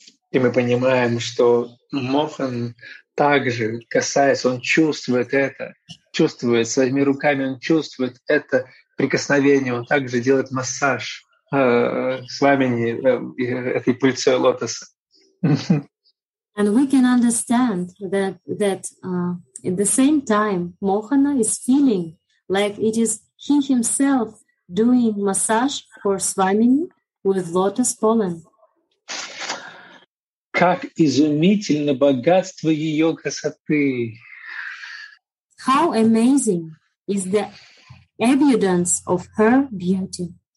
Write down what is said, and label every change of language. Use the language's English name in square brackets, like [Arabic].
[Russian] И мы понимаем, что Мохан также касается, он чувствует это, чувствует своими руками, он чувствует это прикосновение, он также делает массаж с вами, этой пыльцой лотоса. [English] And we can understand that at the same time Mohana is feeling like it is he himself doing massage for Swamini with lotus pollen. [Russian] Как изумительно богатство ее красоты! [English] How amazing is the abundance of her beauty!